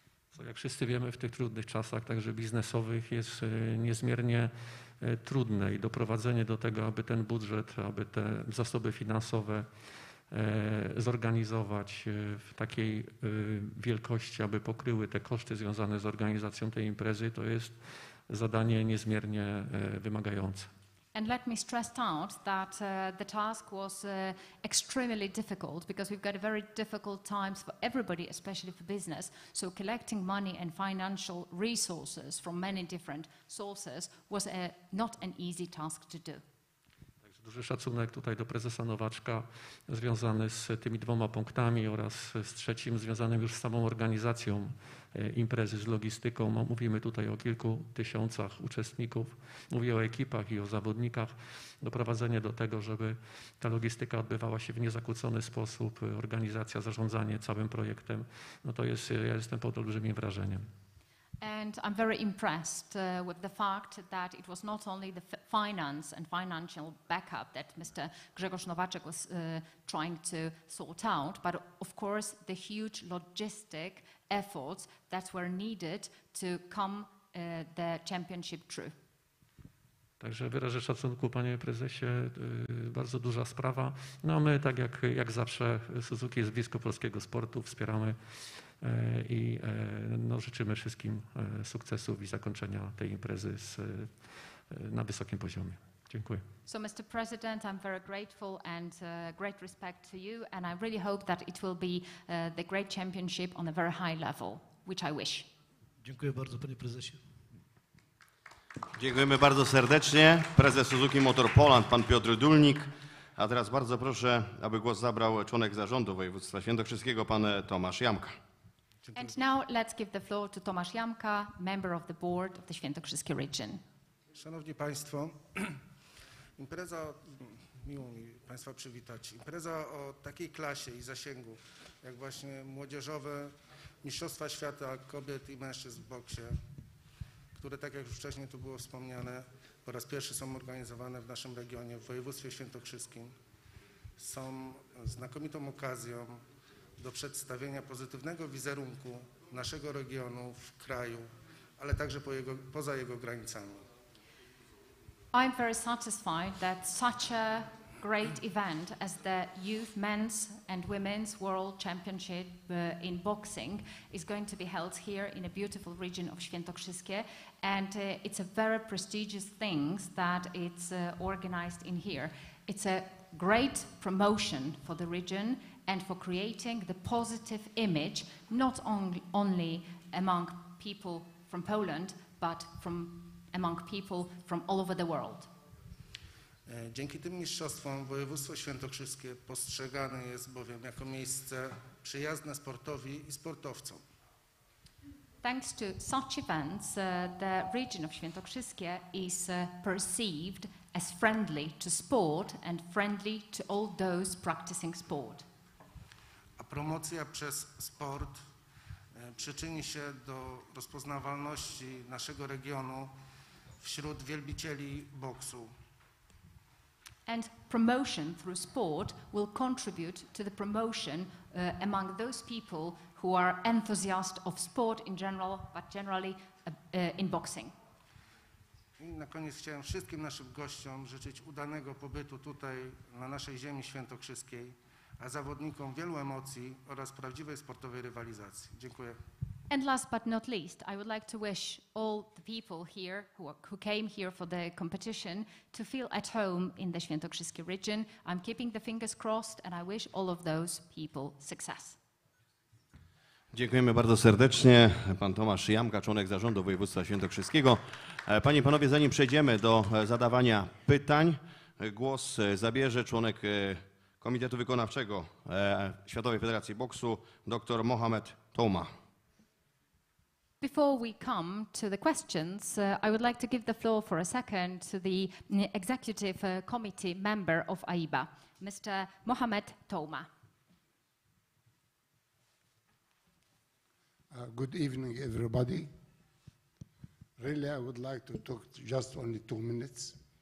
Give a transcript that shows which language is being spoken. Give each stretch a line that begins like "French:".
Polish: So, jak wszyscy wiemy, w tych trudnych czasach, także biznesowych, jest niezmiernie trudne i doprowadzenie do tego, aby ten budżet, aby te zasoby finansowe zorganizować w takiej wielkości, aby pokryły te koszty związane z organizacją tej imprezy, to jest zadanie niezmiernie wymagające.
English: And let me stress out that the task was extremely difficult, because we've got a very difficult times for everybody, especially for business. So collecting money and financial resources from many different sources was not an easy task to do.
Polish: Także duży szacunek tutaj do prezesa Nowaczka związany z tymi dwoma punktami oraz z trzecim związanym już z samą organizacją imprezy, z logistyką. Mówimy tutaj o kilku tysiącach uczestników. Mówię o ekipach i o zawodnikach. Doprowadzenie do tego, żeby ta logistyka odbywała się w niezakłócony sposób, organizacja, zarządzanie całym projektem, no to jest, ja jestem pod olbrzymim wrażeniem.
English: And I'm very impressed with the fact that it was not only the finance and financial backup that Mr. Grzegorz Nowaczek was trying to sort out, but of course the huge logistic efforts that were needed to come the championship true.
Polish: Także wyrażę szacunku, panie prezesie, bardzo duża sprawa. No my, tak jak zawsze, Suzuki jest blisko polskiego sportu, wspieramy i no, życzymy wszystkim sukcesów i zakończenia tej imprezy na wysokim poziomie. Dziękuję.
English: So, Mr. President, I'm very grateful and great respect to you, and I really hope that it will be the great championship on a very high level, which I wish.
Polish: Dziękuję bardzo, panie prezesie. Dziękujemy bardzo serdecznie. Prezes Suzuki Motor Poland, pan Piotr Dulnik. A teraz bardzo proszę, aby głos zabrał członek zarządu województwa świętokrzyskiego, pan Tomasz Jamka.
English: And now let's give the floor to Tomasz Jamka, member of the board of the Świętokrzyskie Region.
Polish: Szanowni Państwo, impreza, miło mi Państwa przywitać, impreza o takiej klasie i zasięgu, jak właśnie młodzieżowe Mistrzostwa Świata Kobiet i Mężczyzn w boksie, które tak jak już wcześniej tu było wspomniane, po raz pierwszy są organizowane w naszym regionie, w województwie świętokrzyskim, są znakomitą okazją do przedstawienia pozytywnego wizerunku naszego regionu w kraju, ale także poza jego granicami.
English: I'm very satisfied that such a great event as the Youth Men's and Women's World Championship in Boxing is going to be held here in a beautiful region of Świętokrzyskie, and it's a very prestigious thing that it's organized in here. It's a great promotion for the region and for creating the positive image, not only among people from Poland, but from among people from all over the world.
Polish: Dzięki tym mistrzostwom województwo świętokrzyskie postrzegane jest bowiem jako miejsce przyjazne sportowi i sportowcom.
English: Thanks to such events, the region of Świętokrzyskie is perceived as friendly to sport and friendly to all those practicing sport.
Polish: A promocja przez sport przyczyni się do rozpoznawalności naszego regionu wśród wielbicieli boksu.
English: And promotion through sport will contribute to the promotion among those people who are enthusiasts of sport in general, but generally in boxing.
Polish: I na koniec chciałem wszystkim naszym gościom życzyć udanego pobytu tutaj na naszej ziemi świętokrzyskiej, a zawodnikom wielu emocji oraz prawdziwej sportowej rywalizacji. Dziękuję.
English: And last but not least, I would like to wish all the people here who came here for the competition to feel at home in the Świętokrzyskie region. I'm keeping the fingers crossed and I wish all of those people success.
Polish: Dziękujemy bardzo serdecznie. Pan Tomasz Jamka, członek zarządu województwa świętokrzyskiego. Panie i panowie, zanim przejdziemy do zadawania pytań, głos zabierze członek Komitetu Wykonawczego Światowej Federacji Boksu, dr Mohamed Touma.
English: Before we come to the questions, I would like to give the floor for a second to the executive committee member of AIBA, Mr. Mohamed Touma. Good evening, everybody. Really, I would like to talk just only 2 minutes.